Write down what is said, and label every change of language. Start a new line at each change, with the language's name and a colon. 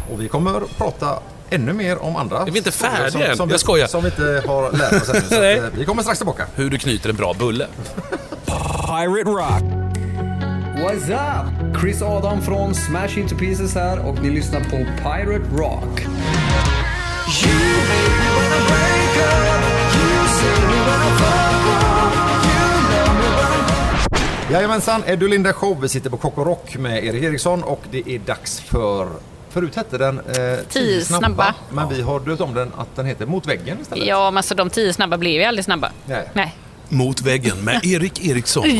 Swedish: Och vi kommer prata ännu mer om andra. Är vi inte färdiga än? Jag skojar. Som vi inte har lärt oss ännu. Nej. Vi kommer strax tillbaka. Hur du knyter en bra bulle.
English: Pirate Rock. What's up?
Swedish: Chris Adam från Smash Into Pieces här och ni lyssnar på Pirate Rock.
English: You make me wanna break up. You say we wanna fuck up.
Swedish: Jajamensan, Eddie och Linda Show. Vi sitter på Kock och Rock med Erik Eriksson och det är dags för, förut hette den 10 snabba. Men vi har dött om den att den heter Mot väggen istället. Ja, men så de 10 snabba blev ju aldrig snabba. Nej. Mot väggen med Erik Eriksson.